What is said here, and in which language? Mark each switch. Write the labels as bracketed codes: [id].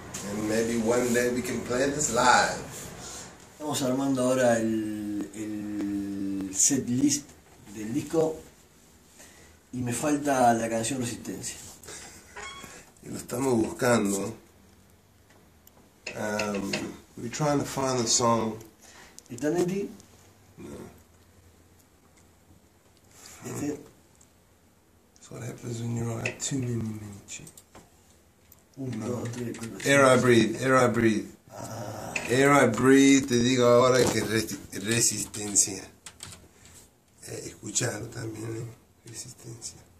[en] And maybe one day we can play this live. [es] Estamos armando ahora el set list del disco. Y me falta la canción Resistencia. Y lo estamos buscando. [en] We're trying to find the song. Eternity? No. Is it? That's what happens when you write too many minutes. No. Air I Breathe, Air I Breathe. [es] Air I Breathe, te digo ahora que Resistencia. Escuchar también, Resistencia.